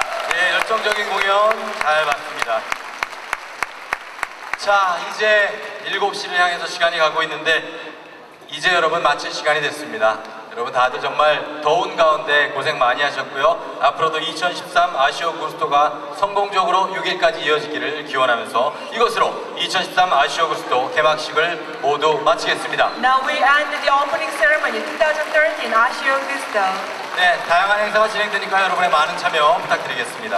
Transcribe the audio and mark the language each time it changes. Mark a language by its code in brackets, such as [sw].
[ko] 네, 열정적인 공연 잘 봤습니다. 자, 이제 7시를 향해서 시간이 가고 있는데 이제 여러분 마칠 시간이 됐습니다. 여러분 다들 정말 더운 가운데 고생 많이 하셨고요. 앞으로도 2013 아시오 구스토가 성공적으로 6일까지 이어지기를 기원하면서 이것으로 2013 아시오 구스토 개막식을 모두 마치겠습니다. [en] Now we end the opening ceremony 2013 아시오 구스토. [ko] 네, 다양한 행사가 진행되니까 여러분의 많은 참여 부탁드리겠습니다.